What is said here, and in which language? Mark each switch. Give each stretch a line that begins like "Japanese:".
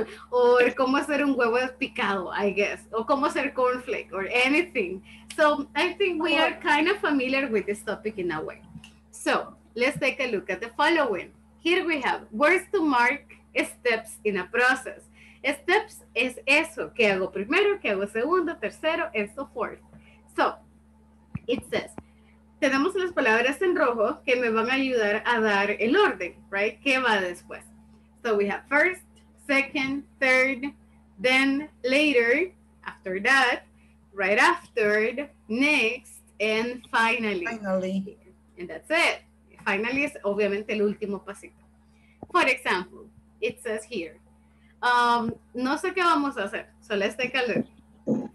Spanish: O cómo hacer un huevo picado,
English: I guess.
Spanish: O cómo hacer cornflake
English: or anything. So I think we are kind of familiar with this topic in a way. So let's take a look at the following. Here we have words to mark steps in a process.
Spanish: Steps es eso. ¿Qué hago primero? ¿Qué hago segundo? ¿Tercero?
English: And so forth. So it says,
Spanish: tenemos las palabras en rojo que me van a ayudar a dar el orden, right? ¿Qué va después?
English: So we have first, second, third, then, later, after that, right after, next, and finally. Finally. And that's it.
Spanish: Finally es obviamente el último pasito.
English: For example, it says here,
Spanish: no sé qué vamos a hacer,
English: so let's take a look.